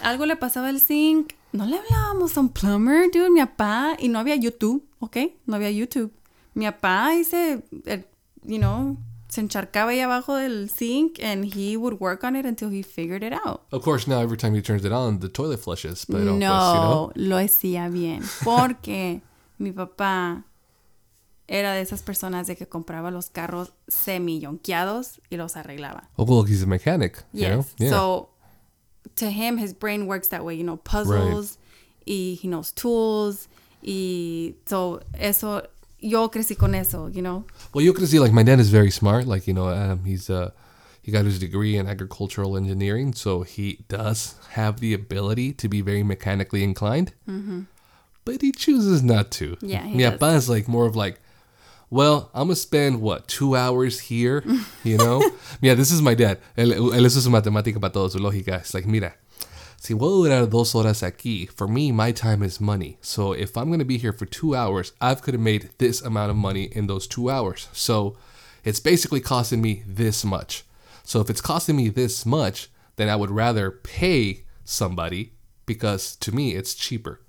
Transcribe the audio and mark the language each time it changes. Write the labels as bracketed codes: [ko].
[es] Algo le pasaba al zinc. No le hablábamos a un plumber, dude, mi papá. Y no había YouTube, okay? No había YouTube. Mi papá dice, [en] you know, [es] se encharcaba ahí abajo del [en] sink, and he would work on it until he figured it out. Of course, now every time he turns it on, the toilet flushes. But [es] no, [en] pues, you know? [es] Lo hacía bien. Porque mi papá era de esas personas de que compraba los carros semi-yonqueados y los arreglaba. [en] Oh, well, he's a mechanic. Yes. You know? Yeah. So, to him, his brain works that way. You know, puzzles. Right. Y he knows tools. [es] Y so eso, yo crecí con eso, you know? [en] Well, you crecí, like, my dad is very smart. Like, you know, he got his degree in agricultural engineering. So he does have the ability to be very mechanically inclined. Mm-hmm. But he chooses not to. Yeah, he does. Mi papá is, like, more of, like, well, I'm going to spend, what, 2 hours here, you know? Yeah, this is my dad. [es] Él es su matemática para todos, su lógica. It's like, mira, si voy a durar dos horas aquí, [en] for me, my time is money. So if I'm going to be here for 2 hours, I could have made this amount of money in those 2 hours. So it's basically costing me this much. So if it's costing me this much, then I would rather pay somebody because to me, it's cheaper.